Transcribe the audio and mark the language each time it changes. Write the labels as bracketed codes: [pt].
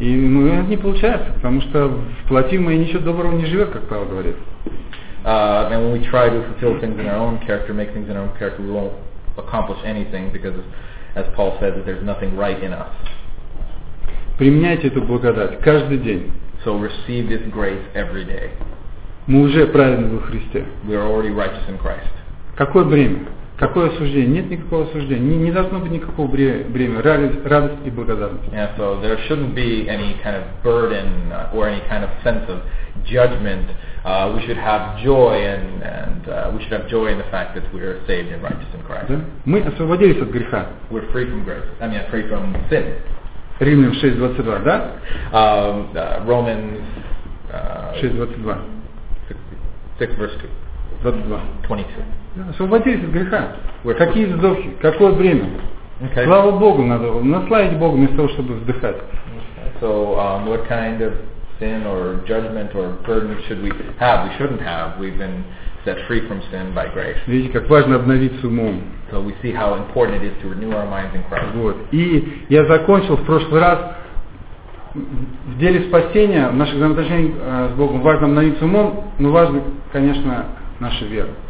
[ru] И это не получается, потому что в плоти мы ничего доброго не живем, как Павел говорит. [en] And when we try to fulfill things in our own character, make things in our own character, we won't accomplish anything because, as Paul said, that there's nothing right in us. [ru] Применяйте эту благодать каждый день. [en] So receive this grace every day. [ru] Мы уже праведны во Христе. [en] We are already righteous in Christ. [ru] Какое бремя? Какое осуждение? Нет никакого осуждения. Не должно быть никакого бремя. Радость и благодарность. [en] Yeah, so there shouldn't be any kind of burden or any kind of sense of judgment. We should have joy and we should have joy in the fact that we are saved and righteous in Christ. [ru] Да? Мы освободились от греха. [en] We're free from grace. I mean, free from sin. [ru] Римлян 6:22, да? [en] Romans 6:22. 6:22. [ru] Освободились от греха. Какие вздохи? Какое бремя? [en] Okay. [ru] Слава Богу, надо наславить Бога вместо того, чтобы вздыхать. [en] Okay. So, what kind of sin or judgment or burden should we have? We shouldn't have. We've been set free from sin by grace. [ru] Видите, как важно обновиться умом. [en] So we see how important it is to renew our minds in Christ. [ru] Вот. И я закончил в прошлый раз в деле спасения, в наших взаимоотношениях с Богом. Важно обновиться умом, но важно, конечно, наша вера.